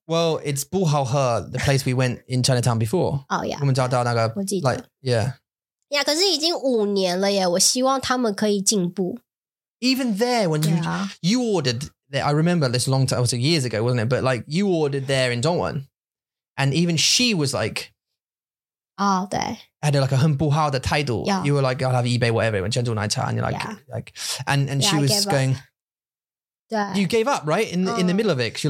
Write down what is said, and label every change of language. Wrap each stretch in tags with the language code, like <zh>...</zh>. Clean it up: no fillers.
<en>Well, it's</en> <zh>不好喝,</zh> <en>the place we went in Chinatown before. Oh yeah,</en> <zh>我们找到那个, 我记得,</zh> <en>like, yeah.</en> <zh>Yeah, 可是已经五年了耶, 我希望他们可以进步。</zh> <en>Even there, when you, you ordered there, I remember this long time, it was years ago, wasn't it? But like, you ordered there in Dongwon, and even she was like, had like a</en> <zh>很不好的态度.</zh> <en>Yeah. You were like, I'll have eBay, whatever, and 珍珠奶茶, and you're like, and she was going, you gave up, right? In the middle of it.</en>